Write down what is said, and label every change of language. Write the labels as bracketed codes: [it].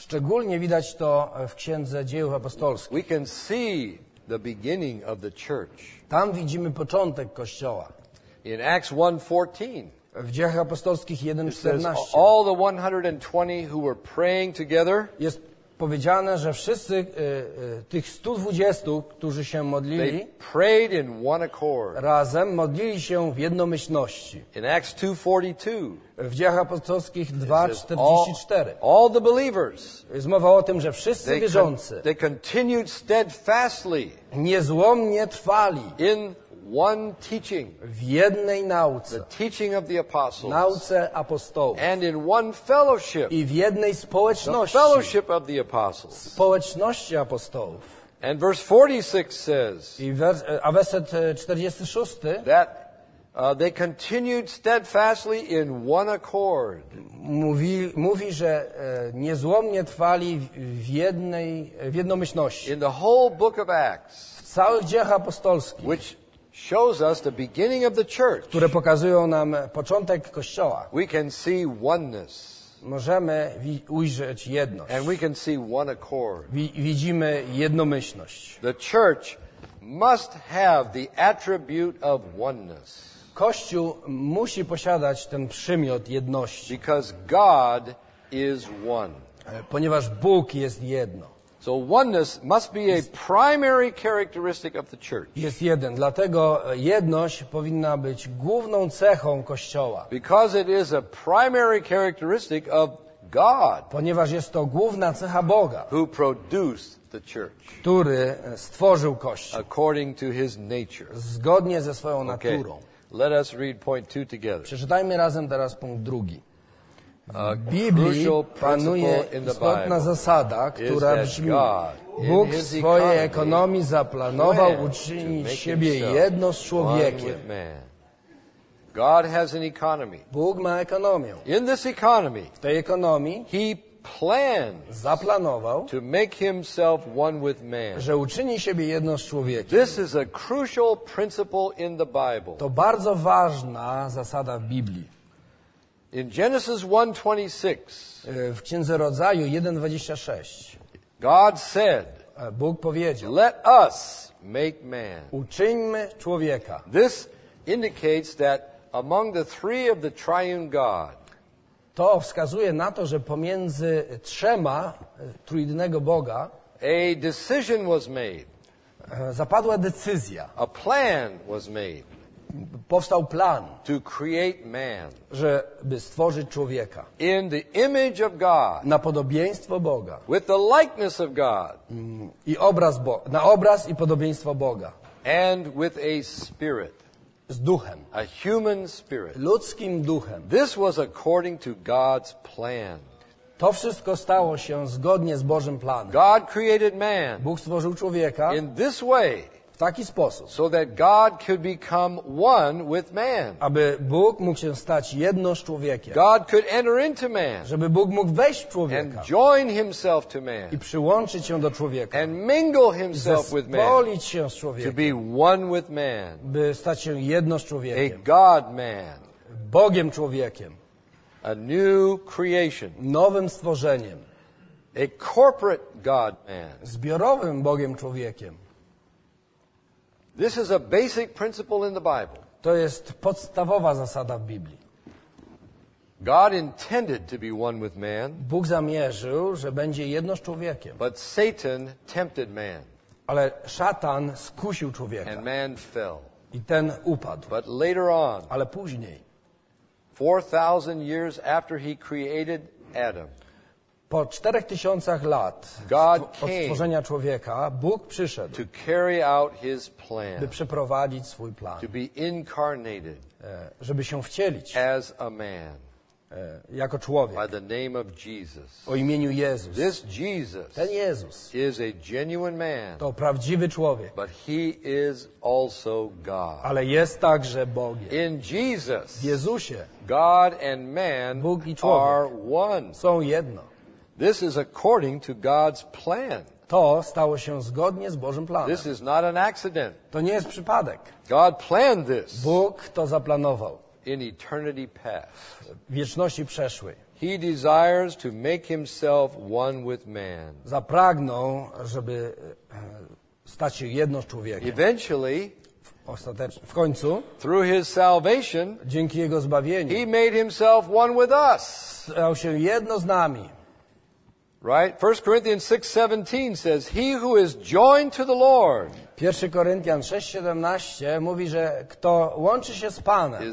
[pl] Szczególnie widać to w Księdze Dziejów Apostolskich. [en] We can see the beginning of the church. [pl] Tam widzimy początek Kościoła. [en] In Acts 1:14. [pl] W Dziejach Apostolskich 1:14. [en] All the 120 who were praying together. [pl] Jest powiedziane, że wszyscy tych 120, którzy się modlili, [en] they prayed in one accord. [pl] Razem modlili się w jednomyślności. [en] In Acts 2:42. [pl] W Dziejach Apostolskich 2:44. [en] All the believers. [pl] Jest mowa o tym, że wszyscy wierzący. [en] They continued steadfastly. [pl] Niezłomnie trwali. [en] In one teaching. [pl] W jednej nauce. [en] The teaching of the apostles. [pl] Nauce apostołów. [en] And in one fellowship. [pl] I w jednej społeczności. [en] The fellowship of the apostles. [pl] Społeczności apostołów. [en] And verse 46 says. [pl] A werset 46. [en] That they continued steadfastly in one accord. [pl] Mówi, że niezłomnie trwali w jednomyślności. [en] In the whole book of Acts. [pl] W całych dziejach apostolskich. [en] Which shows us the beginning of the church. [pl] Które pokazują nam początek Kościoła. [en] We can see oneness. [pl] Możemy ujrzeć jedność. [en] And we can see one accord. [pl] Widzimy jednomyślność. [en] The church must have the attribute of oneness. [pl] Kościół musi posiadać ten przymiot jedności. [en] Because God is one. [pl] Ponieważ Bóg jest jedno. [en] So oneness must be a primary characteristic of the church. [pl] Jest jeden, dlatego jedność powinna być główną cechą Kościoła. [en] Because it is a primary characteristic of God. [pl] Ponieważ jest to główna cecha Boga. [en] Who produced the church. [pl] Który stworzył Kościół. [en] According to his nature. [pl] Zgodnie ze swoją naturą. [en] Okay. Let us read point two together. [pl] Przeczytajmy razem teraz punkt drugi. W Biblii panuje istotna zasada, która brzmi: Bóg w swojej ekonomii zaplanował uczynić siebie jedno z człowiekiem. [en] God has an economy. [pl] Bóg ma ekonomię. [en] In this economy, [pl] w tej ekonomii, [en] he plans [pl] zaplanował, [en] to make himself one with man. [pl] Że uczyni siebie jedno z człowiekiem. [en] This is a crucial principle in the Bible. [pl] To bardzo ważna zasada w Biblii. [en] In Genesis 1:26. [pl] W Księdze Rodzaju 1:26. [en] God said. [pl] Bóg powiedział. [en] Let us make man. [pl] Uczyńmy człowieka. [en] This indicates that among the three of the triune God. [pl] To wskazuje na to, że pomiędzy trzema trójjednego Boga [en] a decision was made. [pl] Zapadła decyzja. [en] A plan was made. [pl] Powstał plan, [en] to create man, [pl] żeby stworzyć człowieka. [en] In the image of God, [pl] na podobieństwo Boga. [en] With the likeness of God, [pl] i obraz na obraz i podobieństwo Boga. [en] And with a spirit, [pl] z duchem. [en] A human spirit, [pl] ludzkim duchem. [en] This was according to God's plan. [pl] To wszystko stało się zgodnie z Bożym planem. [en] God created man, [pl] Bóg stworzył człowieka. [en] In this way, [pl] w taki sposób, [en] so that God could become one with man. [pl] Aby Bóg mógł się stać jedno z człowiekiem. [en] God could enter into man. [pl] Żeby Bóg mógł wejść w człowieka. [en] And join himself to man. [pl] I przyłączyć się do człowieka. [en] And mingle himself with man. [pl] Zespolić się z człowiekiem. [en] To be one with man. [pl] By stać się jedno z człowiekiem. [en] A God man. [pl] Bogiem człowiekiem. [en] A new creation. [pl] Nowym stworzeniem. [en] A corporate God man. [pl] Zbiorowym Bogiem człowiekiem. [en] This is a basic principle in the Bible. [pl] To jest podstawowa zasada w Biblii. [en] God intended to be one with man. [pl] Bóg zamierzył, że będzie jedno z człowiekiem. [en] But Satan tempted man. [pl] Ale szatan skusił człowieka. [en] And man fell. [pl] I ten upadł. [en] But later on. [pl] Ale później. [en] 4000 years after he created Adam. [pl] Po 4000 lat od stworzenia człowieka Bóg przyszedł, [en] to carry out his plan, [pl] by przeprowadzić swój plan, [en] to be incarnated, [pl] żeby się wcielić [en] as a man, [pl] jako człowiek, [en] by the name of Jesus. [pl] O imieniu Jezus. [en] This Jesus, [pl] ten Jezus, [en] is a genuine man, [pl] to prawdziwy człowiek, [en] but he is also God. [pl] Ale jest także Bogiem. [en] In Jesus, [pl] w Jezusie, [en] God and man, [pl] Bóg i człowiek, [en] are one. [pl] Są jedno. [en] This is according to God's plan. [pl] To stało się zgodnie z Bożym planem. [en] This is not an accident. [pl] To nie jest przypadek. [en] God planned this. [pl] Bóg to zaplanował. [en] In eternity past. [pl] W wieczności przeszłej. [en] He desires to make himself one with man. [pl] Zapragnął, żeby stać się jedno z człowiekiem. [en] Eventually, [pl] w końcu, [en] through his salvation, [pl] dzięki jego zbawieniu, [en] he made himself one with us. [pl] Stał się jedno z nami. [en] Right? 1 Corinthians 6:17 says, he who is joined to the Lord. [pl] 1 Koryntian 6:17 mówi, że kto łączy się z Panem,